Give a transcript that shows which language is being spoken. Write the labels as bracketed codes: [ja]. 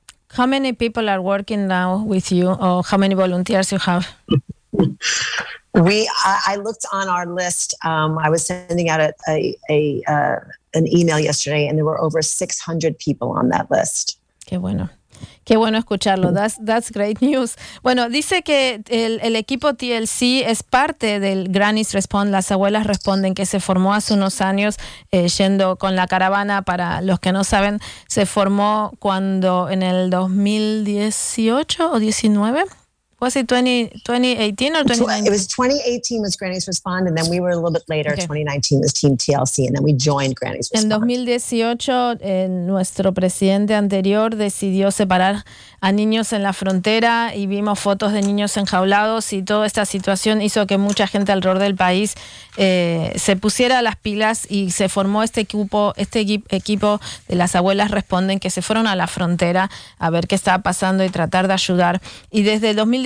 [en] How many people are working now with you, or how many volunteers you have? I looked on our list. I was sending out an email yesterday, and there were over 600 people on that list. [es] Qué bueno escucharlo. [en] That's great news. [es] Bueno, dice que el equipo TLC es parte del Grannies Respond, las abuelas responden, que se formó hace unos años yendo con la caravana. Para los que no saben, se formó cuando en el 2018 o 19. [en] Was it 2018 or 2019? It was 2018 was Grannies Respond, and then we were a little bit later, okay. 2019 was Team TLC, and then we joined Grannies Respond. [es] En 2018, nuestro presidente anterior decidió separar a niños en la frontera y vimos fotos de niños enjaulados, y toda esta situación hizo que mucha gente alrededor del país se pusiera las pilas y se formó este equipo de las abuelas responden, que se fueron a la frontera a ver qué estaba pasando y tratar de ayudar. Y desde 2018